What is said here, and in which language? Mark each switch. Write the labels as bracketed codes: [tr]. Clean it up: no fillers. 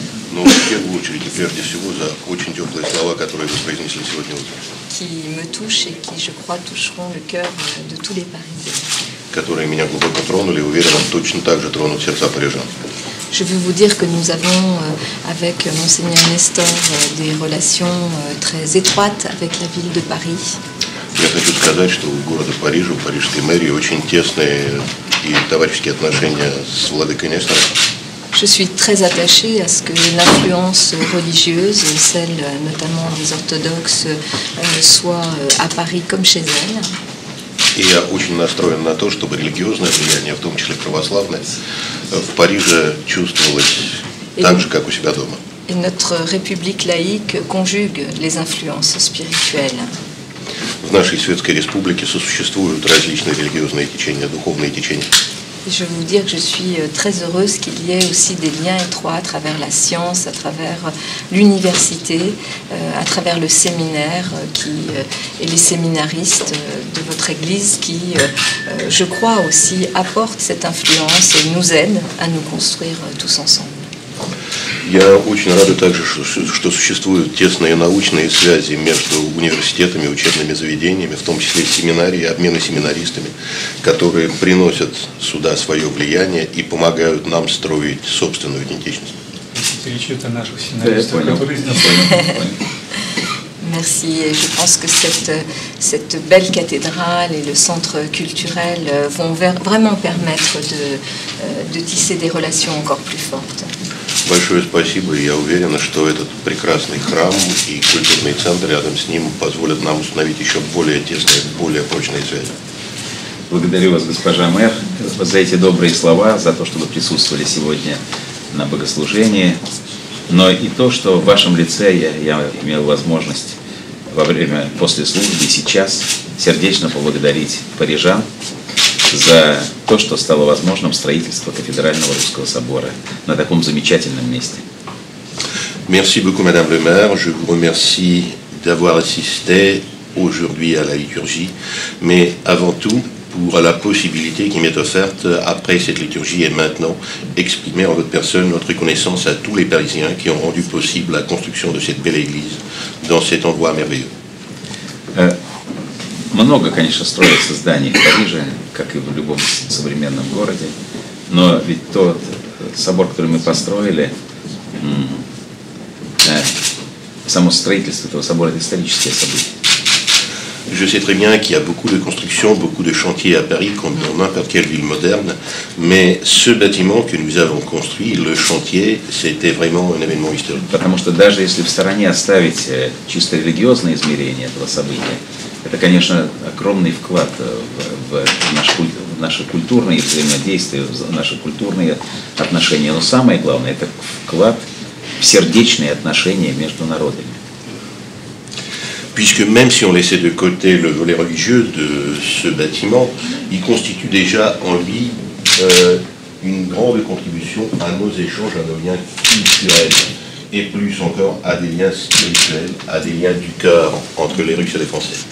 [fr] Qui me touchent et qui, je crois, toucheront le cœur de tous les Parisiens. Je veux vous dire que nous avons, avec Mgr Nestor, des relations très étroites avec la ville de Paris. [ru] Я хочу сказать, что у города Парижа, у парижской мэрии очень тесные и товарищеские отношения с владыкой Нестором. [fr] Je suis très attaché à ce que l'influence religieuse, celle notamment des orthodoxes, soit à Paris comme chez elle. [ru] И я очень настроен на то, чтобы религиозное влияние, в том числе православное, в Париже чувствовалось так же, как у себя дома. [fr] Et notre république laïque conjugue les influences spirituelles. [ru] В нашей светской республике сосуществуют различные религиозные течения, духовные течения. [fr] Je veux vous dire que je suis très heureuse qu'il y ait aussi des liens étroits à travers la science, à travers l'université, à travers le séminaire qui, et les séminaristes de votre église qui, je crois aussi, apportent cette influence et nous aident à nous construire tous ensemble. [ru] Я очень рада также, что существуют тесные научные связи между университетами, учебными заведениями, в том числе семинарии, обмены семинаристами, которые приносят сюда свое влияние и помогают нам строить собственную идентичность. Перечитывая наших семинаристов, которые здесь. [fr] Merci. Et je pense que cette belle cathédrale et le centre culturel vont vraiment permettre de tisser des relations encore plus fortes. [ru] Большое спасибо. Я уверена, что этот прекрасный храм и культурный центр рядом с ним позволят нам установить еще более тесные, более прочные связи. Благодарю вас, госпожа мэр, за эти добрые слова, за то, что вы присутствовали сегодня на богослужении, но и то, что в вашем лице я имел возможность во время, после службы и сейчас сердечно поблагодарить парижан за то, что стало возможным строительство кафедрального русского собора на таком замечательном месте. [fr] Merci beaucoup, madame le maire. Je vous remercie d'avoir assisté aujourd'hui à la liturgie, mais avant tout pour la possibilité qui m'est offerte après cette liturgie et maintenant exprimer en votre personne notre reconnaissance à tous les Parisiens qui ont rendu possible la construction de cette belle église dans cet endroit merveilleux. [ru] Много, конечно, строится зданий в Париже, как и в любом современном городе. Но ведь тот собор, который мы построили, само строительство этого собора – это историческое событие. [fr] Je sais très bien qu'il y a beaucoup de constructions, beaucoup de chantiers à Paris, comme dans n'importe quelle ville moderne. Mais ce bâtiment que nous avons construit, le chantier, c'était vraiment un événement historique. [ru] Потому что даже если в стороне оставить чисто религиозное измерение этого события, это, конечно, огромный вклад в наши культурные взаимодействия, в наши культурные отношения. Но самое главное, это вклад в сердечные отношения между народами. [fr] Puisque même si on laissait de côté le volet religieux de ce bâtiment, il constitue déjà en lui une grande contribution à nos échanges, à nos liens culturels, et plus encore à des liens spirituels, à des liens du cœur entre les Russes et les Français.